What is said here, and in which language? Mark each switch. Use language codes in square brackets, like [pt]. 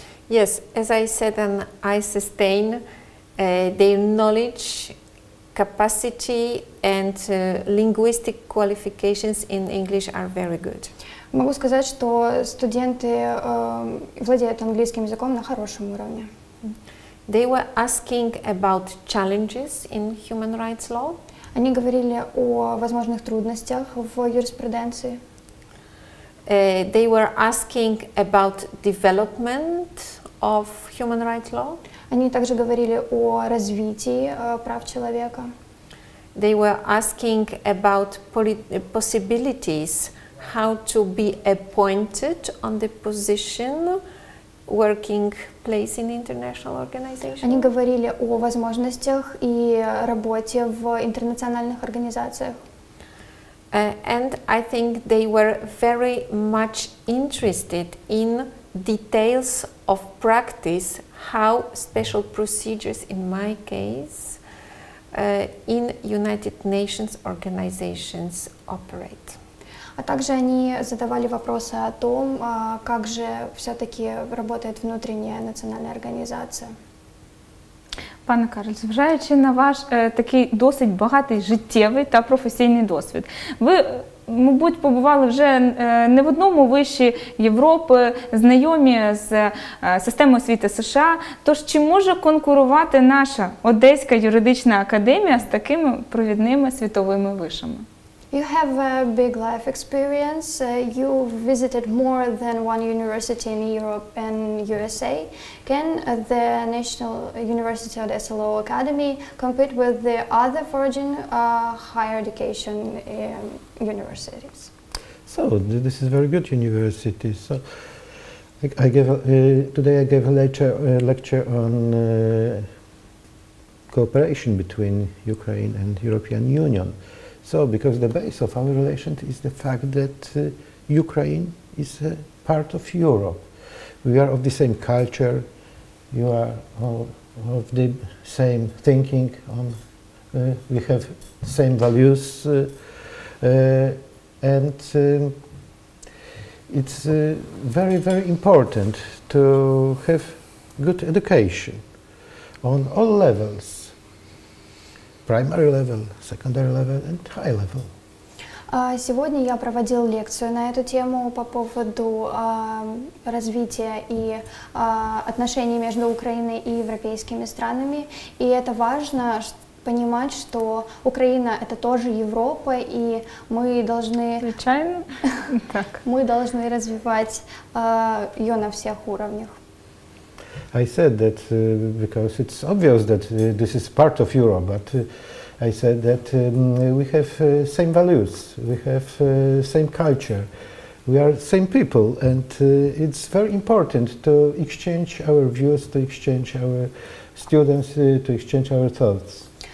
[en] Yes, as I said, and I sustain their knowledge, capacity and linguistic qualifications in English are very good. [uk] Могу сказати, що студенти владіють англійським язиком на хорошому рівні. [en] They were asking about challenges in human rights law. [uk] Вони говорили о можливих труднощах в юриспруденції. [en] They were asking about development of human rights law. [uk] Вони також говорили о розвитті прав чоловіка. [en] They were asking about possibilities how to be appointed on the position, working place in international organization. [ru] Они говорили о возможностях и работе в интернациональных организациях. [en] And I think they were very much interested in details of practice, how special procedures in my case in United Nations organizations operate. [ru] А также они задавали вопросы о том, как же все-таки работает внутренняя национальная организация. [uk] Пане Карл, зважаючи на ваш такий досить багатий життєвий та професійний досвід, ви, мабуть, побували вже не в одному виші Європи, знайомі з системою освіти США, тож чи може конкурувати наша Одеська юридична академія з такими провідними світовими вишами? [en] You have a big life experience. You visited more than one university in Europe and USA. Can the National University of Odessa Law Academy compete with the other foreign higher education universities? So this is very good university. So I gave today I gave a lecture on cooperation between Ukraine and European Union. So, because the base of our relations is the fact that Ukraine is a part of Europe. We are of the same culture, you are all of the same thinking, we have same values, and it's very, very important to have good education on all levels. Primary level, secondary level and high level. [ru] Сегодня я проводил лекцию на эту тему по поводу развития и отношений между Украиной и европейскими странами. И это важно понимать, что Украина — это тоже Европа, и мы должны... Случайно? Так. Мы должны развивать ее на всех уровнях. [en] I said that because it's obvious that this is part of Europe, but I said that we have same values, we have same culture, we are same people, and it's very important to exchange our views, to exchange our students, to exchange our thoughts.